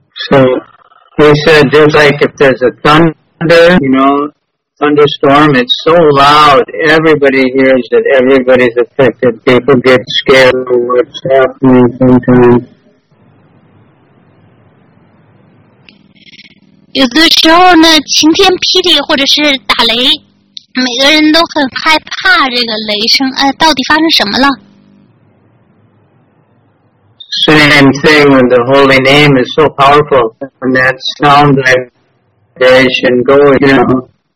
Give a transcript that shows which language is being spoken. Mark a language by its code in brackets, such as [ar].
[en] So, he said, just like if there's a thunder, you know, thunderstorm, it's so loud, everybody hears it, everybody's affected, people get scared of what's happening sometimes. [zh] 有的时候呢，晴天霹雳或者是打雷，每个人都很害怕这个雷声，到底发生什么了？ [en] Same thing when the holy name is so powerful and that sound vibration going, you know.